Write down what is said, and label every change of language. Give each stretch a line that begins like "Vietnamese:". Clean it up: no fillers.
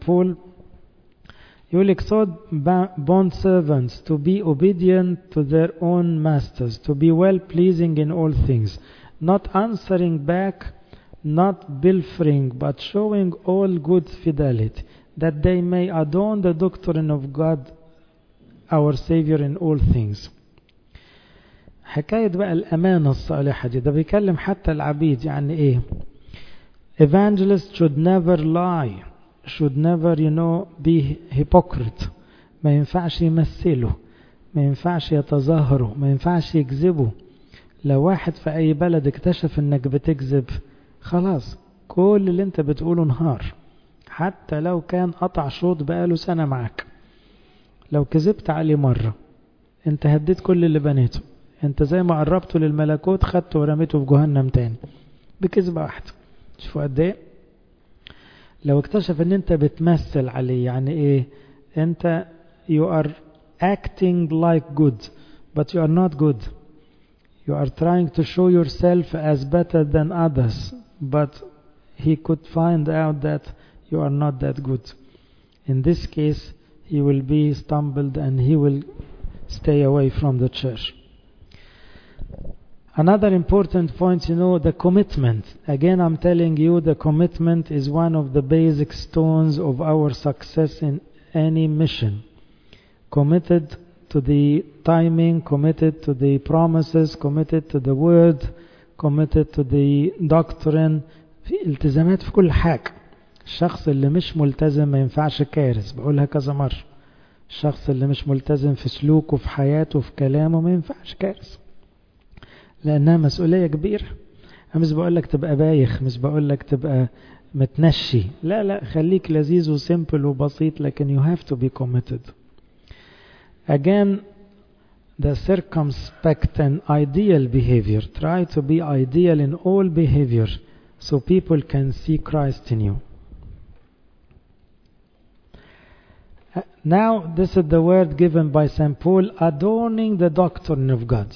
English: Paul, you will exhort bond servants to be obedient to their own masters, to be well pleasing in all things, not answering back, not pilfering, but showing all good fidelity, that they may adorn the doctrine of God our Savior in all things.
Arabic: حكاية بقى الأمانة الصالحة دي, ده بيكلم حتى العبيد, يعني إيه؟
English: Evangelists should never lie, should never, you know, be hypocrite.
Arabic: ما ينفعش يمثله, ما ينفعش يتظاهره, ما ينفعش يكذبه. لو واحد في أي بلد اكتشف أنك بتكذب, خلاص كل اللي انت بتقوله نهار, حتى لو كان قطع شوط بقاله سنة معك. لو كذبت عليه مرة انت هديت كل اللي بنيته, انت زي ما قربته للملكوت خدته ورميته في جهنم تاني بكذبة واحدة. شوفوا قد ايه. لو اكتشف ان انت بتمثل عليه, يعني ايه؟ انت
English: you are acting like good but you are not good, you are trying to show yourself as better than others but he could find out that you are not that good, in this case he will be stumbled and he will stay away from the church. Another important point, you know, the commitment. Again, I'm telling you, the commitment is one of the basic stones of our success in any mission. Committed to the timing, committed to the promises, committed to the word, committed to the doctrine.
Arabic: في التزامات في كل حاجة. الشخص اللي مش ملتزم ما ينفعش كارث, بقولها كذا مرة. الشخص اللي مش ملتزم في سلوكه, في حياته, في كلامه, ما ينفعش كارث. لأنها مسؤولية كبيرة. أنا مش بقولك تبقى بايخ, مش بقولك تبقى متنشي, لا لا, خليك لذيذ وسيمبل وبسيط, لكن
English: you have to be committed. Again, the circumspect and ideal behavior, try to be ideal in all behavior so people can see Christ in you. Now, this is the word given by St. Paul, adorning the doctrine of God.